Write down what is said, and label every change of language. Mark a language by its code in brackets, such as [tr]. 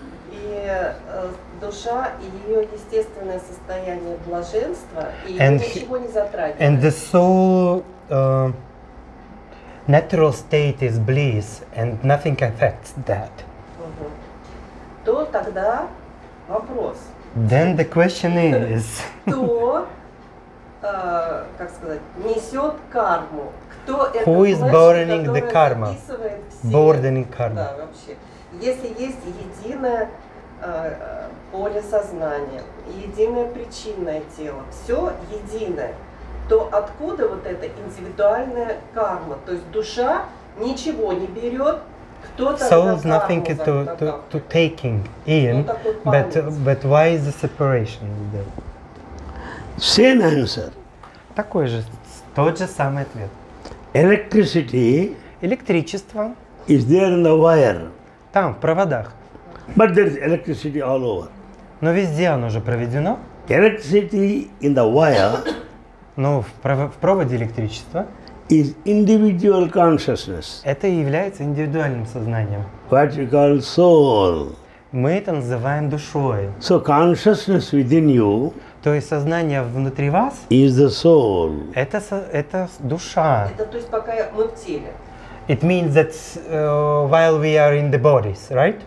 [ru] И душа и ее естественное состояние блаженства, и [en] and [ru] ничего не затрагивает. [en] And the soul... natural state is bliss, and nothing affects that. [ru] То тогда вопрос. [en] Then the question is. [ru] Кто, как сказать, несет карму? Кто это? [en] Who is burdening the karma? Burdening karma. [ru] Да, вообще. Если есть единое поле сознания, единое причинное тело, все единое. То откуда вот эта индивидуальная карма? То есть душа ничего не берет, кто-то за карму закатывает. [en] Soul is nothing to taking in, but why is the separation there? Same answer. [ru] Такой же, тот же самый ответ. [en] Electricity. [ru] Электричество. [en] Is there in the wire. [ru] Там, в проводах. [en] But there is electricity all over. [ru] Но везде оно уже проведено. [en] Electricity in the wire. [ru] Но в проводе электричество. [en] Is individual consciousness. [ru] Это и является индивидуальным сознанием. [en] What you call soul. [ru] Мы это называем душой. [en] So consciousness within you. [ru] То есть сознание внутри вас. [en] Is the soul. [ru] Это душа. Это то есть пока мы в теле. [en] It means that while we are in the bodies, right?